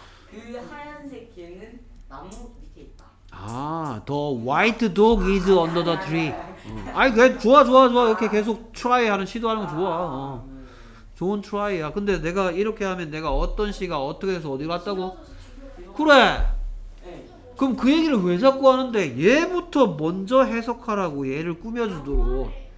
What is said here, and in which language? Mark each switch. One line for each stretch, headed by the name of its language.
Korean: 그 하얀색 개는 나무 밑에 있다.
English: 아, the white dog is under the tree.
Korean: 아이, 그래, 좋아, 좋아, 좋아. 이렇게 계속 try 하는, 시도하는 거 좋아. 좋은 try야. 근데 내가 이렇게 하면 내가 어떤 시가 어떻게 해서 어디로 갔다고? 그래! 그럼 그 얘기를 왜 자꾸 하는데 얘부터 먼저 해석하라고 얘를 꾸며주도록.